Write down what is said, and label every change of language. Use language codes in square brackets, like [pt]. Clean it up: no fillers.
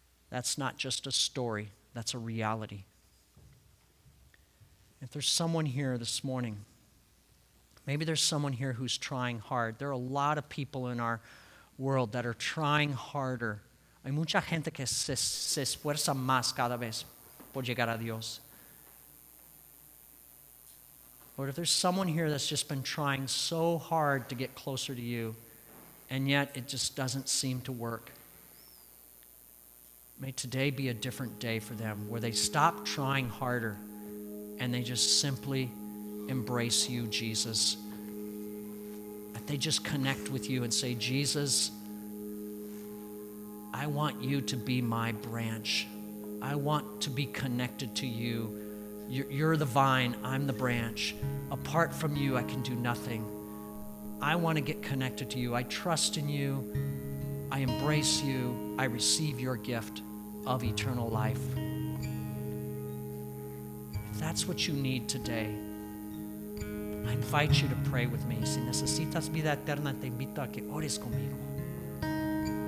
[en] That's not just a story. That's a reality. If there's someone here this morning, maybe there's someone here who's trying hard. There are a lot of people in our world that are trying harder. [es] Hay mucha gente que se esfuerza más cada vez por llegar a Dios. [en] Lord, if there's someone here that's just been trying so hard to get closer to you, and yet it just doesn't seem to work, may today be a different day for them, where they stop trying harder and they just simply embrace you, Jesus. That they just connect with you and say, Jesus, I want you to be my branch. I want to be connected to you. You're the vine, I'm the branch. Apart from you, I can do nothing. I want to get connected to you. I trust in you. I embrace you. I receive your gift of eternal life. If that's what you need today, I invite you to pray with me. [es] Si necesitas vida eterna, te invito a que ores conmigo.